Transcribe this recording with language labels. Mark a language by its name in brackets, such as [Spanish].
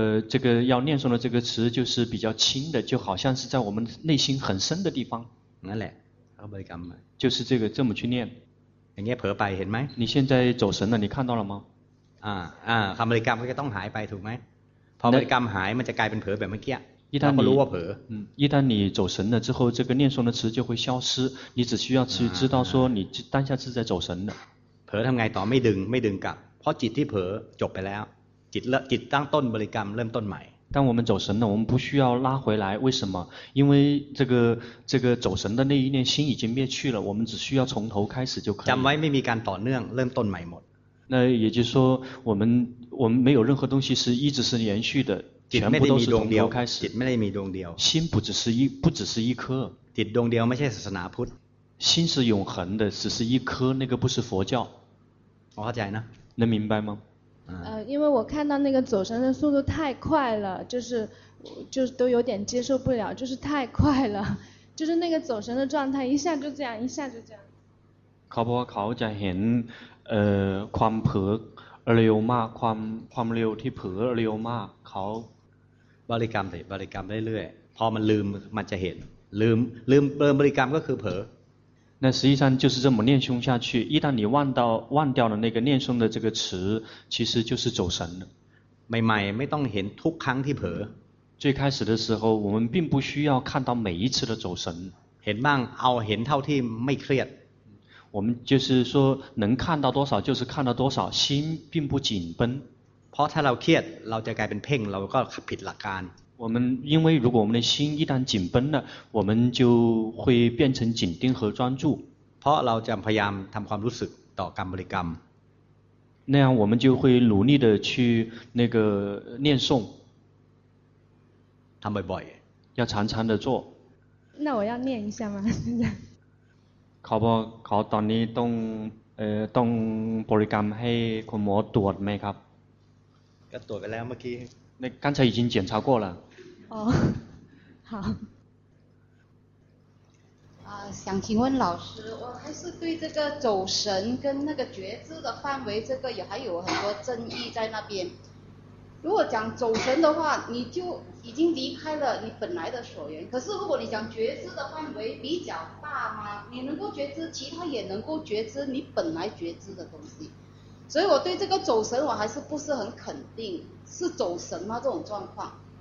[Chinese] 这个要念诵的这个词就是比较轻的就好像是在我们内心很深的地方 [Thai] นั่นแหละ คำบริกรรม [Chinese] 就是这个这么去念 [Thai] อย่างเงี้ยเผลอไปเห็นไหม [Chinese] 你现在走神了你看到了吗 [Thai] คำบริกรรมก็จะต้องหายไปถูกไหมพอบริกรรมหายมันจะกลายเป็นเผลอแบบเมื่อกี้ [Chinese] 一旦你嗯，一旦你走神了之后，这个念诵的词就会消失。你只需要去知道说你当下是在走神的。 [Thai] เผลอทำไงต่อไม่ดึงไม่ดึงกลับเพราะจิตที่เผลอจบไปแล้วจิตละจิตตั้งต้นบริกรรมเริ่มต้นใหม่ [Chinese] 当我们走神了，我们不需要拉回来。为什么？因为这个走神的那一念心已经灭去了，我们只需要从头开始就可以。 [Thai] จำไว้ไม่มีการต่อเนื่องเริ่มต้นใหม่หมด。 [Chinese] 那也就是说，我们没有任何东西是一直是延续的。 [Thai] จิตไม่ได้มีดวงเดีย วจิตไม่ได้มีดวงเดียว [Chinese] 心不只是一不只是一颗 [Thai] จิตดวงเดียวไม่ใช่ศาสนาพุทธ [Chinese] 心是永恒的只是一颗那个不是佛教我好讲呢能明白吗因为我看到那个走神的速度太快了就是都有点接受不了就是太快了就是那个走神的状态一下就这样一下就这样考不考 [Thai] จะเห็นความเผลอเร็วมากความเร็วที่เผลอเร็วมากเขา บริกรรมบริกรรมเรื่อยๆพอมันลืมมันจะเห็นลืมบริกรรมก็คือเผล [Chinese] อ那实际上就是这么念诵下去一旦你忘掉了那个念诵的这个词其实就是走神 [Thai] ใหม่ๆไม่ต้องเห็นทุกครั้งที่เผล [Chinese] อ最开始的时候我们并不需要看到每一次的走神 [Thai] เห็นบ้างเอาเห็นเท่าที่ไม่เครียด [Chinese] 我们就是说能看到多少就是看到多少心并不紧绷 [Thai] เพราะถ้าเราเครียดเราจะกลายเป็นเพ่งเราก็ผิดหลักการ [Chinese] 我们因为如果我们的心一旦紧绷了我们就会变成紧盯和专注 [Thai] เพราะเราจะพยายามทำความรู้สึกต่อกรรมบริกรรม [Chinese] 那样我们就会努力的去那个念诵 [Thai] ทำบ่อย [Chinese] ๆ要常常的做那我要念一下吗 [Thai] เขาบอกเขาตอนนี้ต้องบริกรรมให้คุณหมอตรวจไหมครับ ก็ตรวจไปแล้วเมื่อกี้ ใน [Chinese] 刚才已经检查过了哦好想请问老师我还是对这个走神跟那个觉知的范围这个也还有很多争议在那边如果讲走神的话你就已经离开了你本来的所缘可是如果你讲觉知的范围比较大嘛你能够觉知其他也能够觉知你本来觉知的东西所以我对这个走神我还是不是很肯定是走神吗这种状况